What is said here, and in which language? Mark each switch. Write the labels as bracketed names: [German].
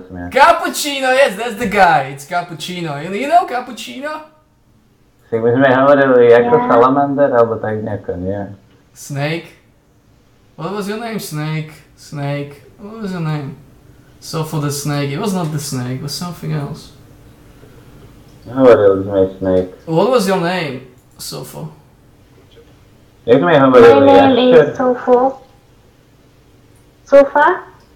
[English] Cappuccino, yes, that's the guy. It's cappuccino. You know cappuccino? [Slovak] Tak my sme hovorili ako salamander alebo tak nejako, nie? [English] Snake? What was your name, Snake? Snake? What was your name? So for the snake, it was not the snake, it was something else. [Slovak] Hovorili sme Snake. [English] What was your name, Sofo? [Slovak] Tak my hovorili... [English] My name is Sofo. Sofa?